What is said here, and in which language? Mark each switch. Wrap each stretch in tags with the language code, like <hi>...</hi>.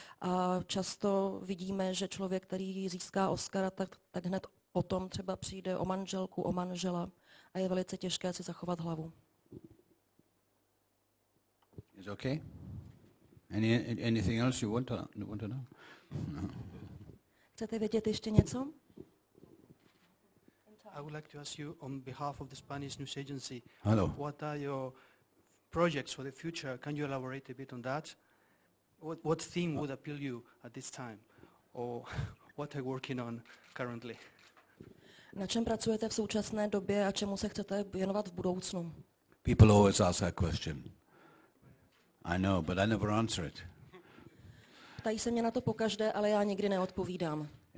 <cs>A často vidíme, že člověk, který získá Oscara, tak hned potom třeba přijde o manželku, o manžela. A je velice těžké si zachovat hlavu.</cs> <en>Is okay? Anything else you want to know? No.</en> <cs>Chcete vědět ještě něco?</cs> <en>I would like to ask you on behalf of the Spanish News Agency. Hello. What are your projects for the future? Can you elaborate a bit on that? What theme would appeal you at this time? Or what are you working on currently?</en> <cs>Na čem pracujete v současné době a čemu se chcete věnovat v budoucnu?</cs> <en>People always ask that question. I know, but I never answer it.</en> <cs>Ptají se mě na to pokaždé, ale já nikdy neodpovídám.</cs>